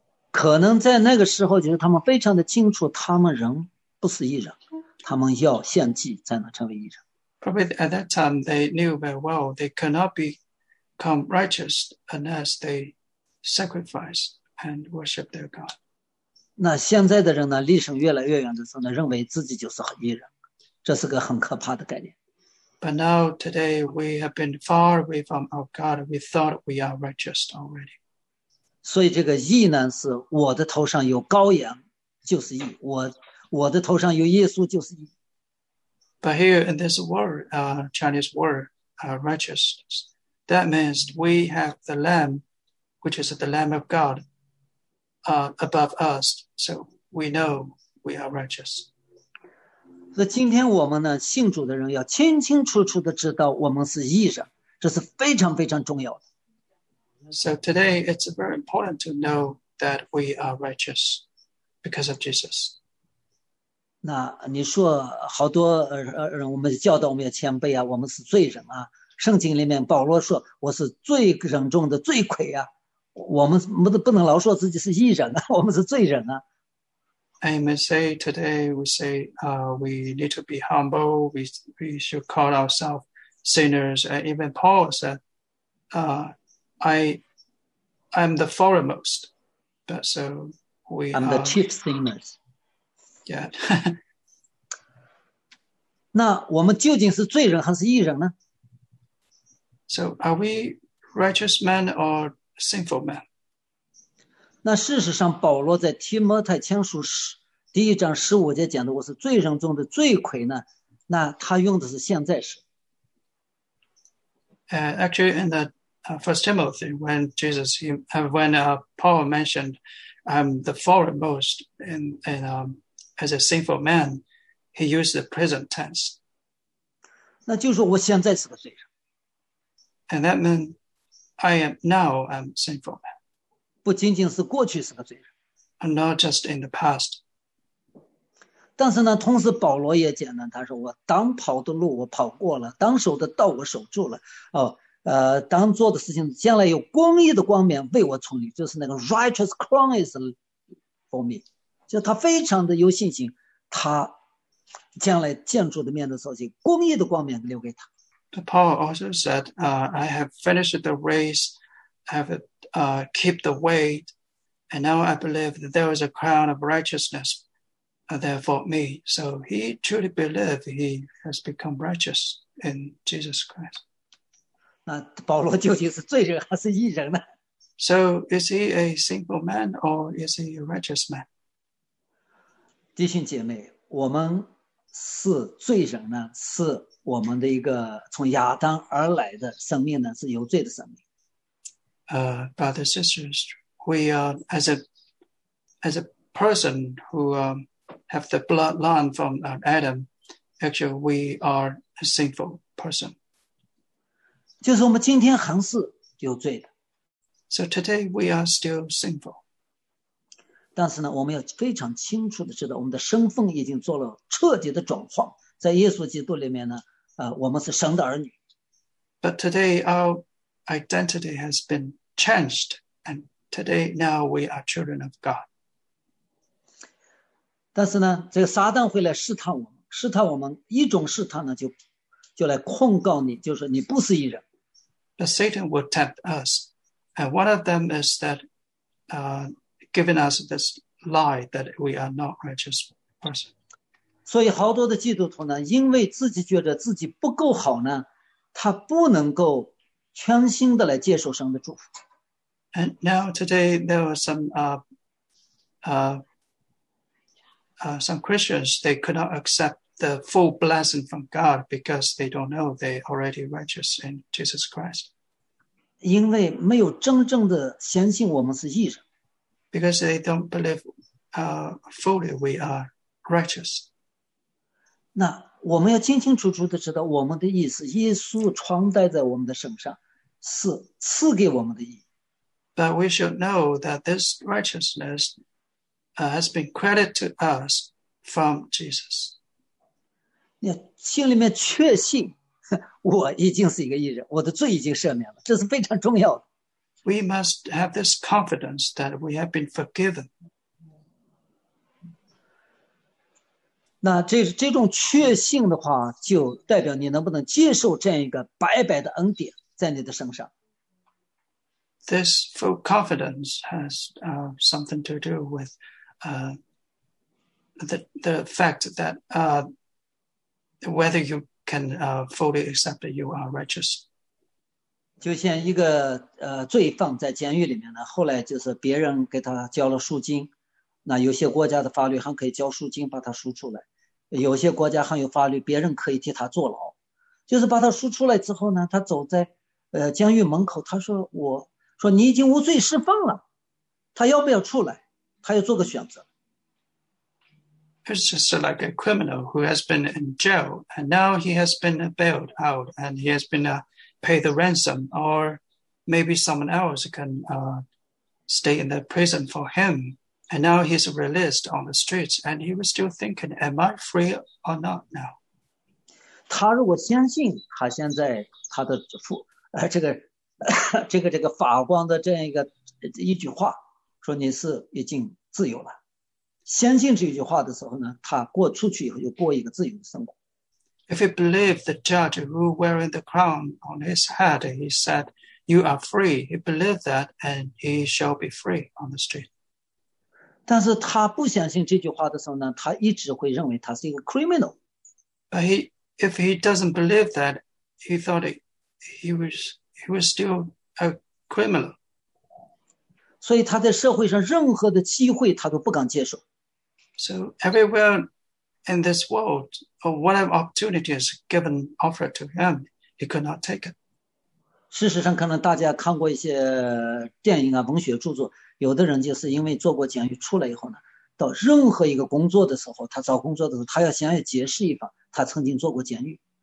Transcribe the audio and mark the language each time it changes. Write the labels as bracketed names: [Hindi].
[Chinese] 可能在那个时候，就是他们非常的清楚，他们人不是义人，他们要献祭才能成为义人。 [English] Probably at that time, they knew very well they cannot become righteous unless they sacrifice and worship their God. [Chinese] 那现在的人呢，离神越来越远的时候呢，认为自己就是义人，这是个很可怕的概念。 [English] But now, today, we have been far away from our God. We thought we are righteous already. [Chinese] 所以这个义呢，是我的头上有羔羊，就是义；我的头上有耶稣，就是义。 [English] But here in this word, Chinese word, righteousness, that means we have the Lamb, which is the Lamb of God, above us, so we know we are righteous. [Chinese] 所以今天我们呢，信主的人要清清楚楚的知道我们是义人，这是非常非常重要的。 [English] So today it's very important to know that we are righteous because of Jesus. [Chinese] 那你说好多我们教导我们要谦卑啊，我们是罪人啊。圣经里面保罗说我是罪人中的罪魁啊，我们不能老说自己是义人啊，我们是罪人啊。 [English] And you may say today we say we need to be humble, we should call ourselves sinners. And even Paul said, I'm the foremost, but so we I'm the chief sinners. Yeah. [Chinese] 那我们究竟是罪人还是义人呢？ [English] So are we righteous men or sinful men? [Chinese] 那事实上保罗在提摩太前书第一章十五节讲的我是罪人中的罪魁呢，那他用的是现在时。 [English] Actually, in the First Timothy, when Jesus, when Paul mentioned, "I'm the foremost in as a sinful man," he used the present tense. [Chinese] 那就是我现在是个罪人。 [English] And that means I am now I'm sinful man. [Chinese] 不仅仅是过去是个罪人。 [English] And not just in the past. [Chinese] 但是呢，同时保罗也讲呢，他说我当跑的路我跑过了，当守的道我守住了，哦。当做的事情将来有公义的光冕为我存留，就是那个 [English] righteous crown is for me， [Chinese] 就他非常的有信心他将来建筑的面的时候公义的光冕留给他。 [English] Paul also said I have finished the race, I have keep the weight, and now I believe that there is a crown of righteousness there for me. So he truly believed he has become righteous in Jesus Christ. [Chinese] 那保罗究竟是罪人还是义人呢？ [English] So is he a sinful man or is he a righteous man? [Chinese] 弟兄姐妹，我们是罪人呢，是我们的一个从亚当而来的生命呢，是有罪的生命。 [English] Brothers and sisters, we are as a person who have the bloodline from Adam, actually we are a sinful person. [Chinese] 就是我们今天还是有罪的。 [English] So today we are still sinful. [Chinese] 但是呢，我们要非常清楚的知道，我们的身份已经做了彻底的转换。在耶稣基督里面呢，我们是神的儿女。 [English] But today our identity has been changed, and today now we are children of God. [Chinese] 但是呢，这个撒旦会来试探我们，试探我们一种试探呢，就来控告你，就是你不是义人。 [English] But Satan will tempt us. And one of them is that giving us this lie that we are not righteous person. [Chinese] 所以好多的基督徒呢，因为自己觉得自己不够好呢，他不能够全心的来接受神的祝福。 [English] And now today there are some some Christians, they could not accept the full blessing from God because they don't know they already righteous in Jesus Christ. [Chinese] 因为没有真正的相信我们是义人。 [English] Because they don't believe fully we are righteous. [Chinese] 那我们要清清楚楚地知道我们的义是耶稣穿戴在我们的身上，是赐给我们的义。 [English] But we should know that this righteousness has been credited to us from Jesus. [Chinese] 心里面确信我已经是一个义人，我的罪已经赦免了，这是非常重要的。 [English] We must have this confidence that we have been forgiven. [Chinese] 那 这种确信的话，就代表你能不能接受这样一个白白的恩典在你的身上。 [English] This full confidence has something to do with the fact that whether you can fully accept that you are righteous. [Chinese] 就像一个罪犯在监狱里面呢，后来就是别人给他交了赎金，那有些国家的法律还可以交赎金把他赎出来，有些国家还有法律别人可以替他坐牢，就是把他赎出来之后呢，他走在监狱门口，他说我。说你已经无罪释放了，他要不要出来？他要做个选择。 [English] It's just like a criminal who has been in jail, and now he has been bailed out, and he has been paid the ransom, or maybe someone else can stay in the prison for him, and now he's released on the streets, and he was still thinking, am I free or not now? [Chinese] 他如果相信他现在他的父这个。这个法官的这样一个一句话，说你是已经自由了。相信这句话的时候呢，他过出去以后就过一个自由的生活。 [English] If you believe the judge who wearing the crown on his head, he said, "You are free." He believed that, and he shall be free on the street. [Chinese] 但是他不相信这句话的时候呢，他一直会认为他是一个 criminal. [English] But if he doesn't believe that, he thought he was still a criminal. [Chinese] 所以他在社会上任何的机会他都不敢接受。 [English] So everywhere in this world, or whatever opportunity is given, offered to him, he could not take it. [Chinese] 事实上可能大家看过一些电影啊，文学著作，有的人就是因为坐过监狱出来以后呢，到任何一个工作的时候，他找工作的时候，他要想要解释一番，他曾经坐过监狱。